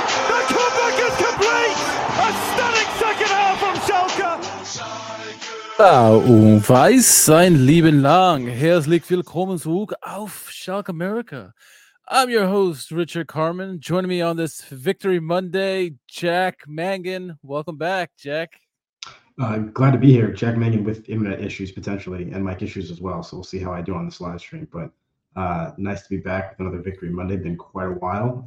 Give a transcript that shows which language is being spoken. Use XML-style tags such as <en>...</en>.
<en>The comeback is complete! A stunning second half from Schalke!</en> <de>Ja, und weiß sein Leben lang. Herzlich willkommen zurück auf Schalke America.</de> <en>I'm your host, Richard Carmen. Joining me on this Victory Monday, Jack Mangan. Welcome back, Jack. I'm glad to be here. Jack Mangan with internet issues, potentially, and mic issues as well. So we'll see how I do on this live stream. But nice to be back with another Victory Monday. Been quite a while.</en>